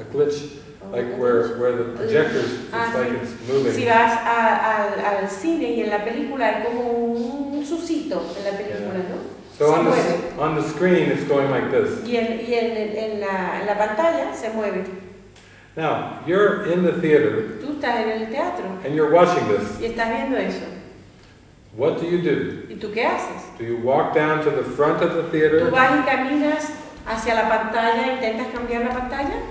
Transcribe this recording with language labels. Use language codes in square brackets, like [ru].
[en] A glitch, like where the projectors, it's like it's moving. [es] Si vas al cine y en la película hay como un susito en la película, [en] yeah. [es] ¿No? [en] So on the screen, it's going like this. [es] Y en la pantalla se mueve. [en] Now, you're in the theater. [es] Tú estás en el teatro. [en] And you're watching this. [es] Y estás viendo eso. [en] What do you do? [es] ¿Y tú qué haces? [en] Do you walk down to the front of the theater? [es] ¿Tú vas y caminas hacia la pantalla, intentas cambiar la pantalla?